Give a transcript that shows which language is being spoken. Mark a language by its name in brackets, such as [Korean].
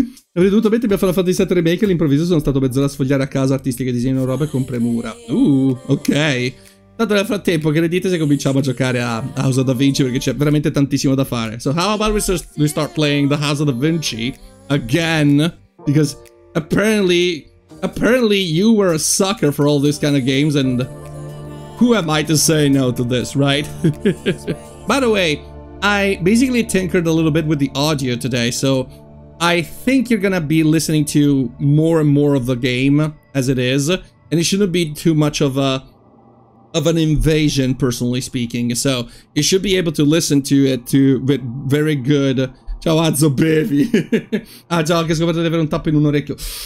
[Italian] Avrei dovuto mettermi a fare la fatta di set remake, all'improvviso sono stato mezz'ora a sfogliare a casa artistiche, disegno, robe con premura. Ok. Tanto nel frattempo, che ne dite se cominciamo a giocare a House of Da Vinci, perché c'è veramente tantissimo da fare. [English] So how about we start playing the House of Da Vinci again, because Apparently you were a sucker for all these kind of games, and who am I to say no to this, right? By the way, I basically tinkered a little bit with the audio today, so I think you're gonna be listening to more and more of the game as it is, and it shouldn't be too much of an invasion, personally speaking. So you should be able to listen to it with very good. [Italian] Ciao Azzo, bevi. Ah già, ho anche scoperto di avere un tappo in un orecchio.